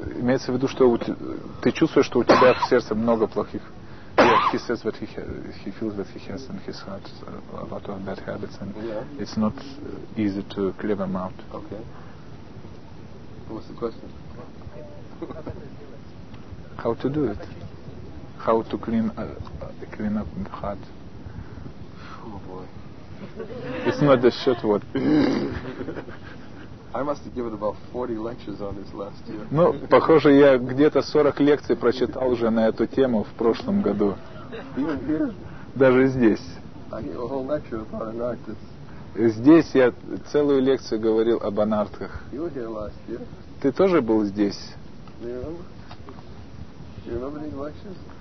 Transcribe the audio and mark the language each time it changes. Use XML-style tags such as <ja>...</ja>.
<ru>Имеется в виду, что ты чувствуешь, что у тебя в сердце много плохих.</ru> <en>Yeah, he says that he feels that he has in his heart a lot of bad habits, and yeah. It's not easy to clear them out. Okay. What's the question? How to do it? How to clean up the heart? Oh boy. It's not the short word. I must have given about 40 lectures on this last year.</en> <ru>Ну, похоже, я где-то 40 лекций прочитал уже на эту тему в прошлом году. Даже здесь.</ru> <en>I gave a whole lecture about anarthas.</en> <ru>Здесь я целую лекцию говорил об анартхах.</ru> <en>You were here last year.</en> <ru>Ты тоже был здесь?</ru> <en>Do you remember? Do you remember these lectures?</en>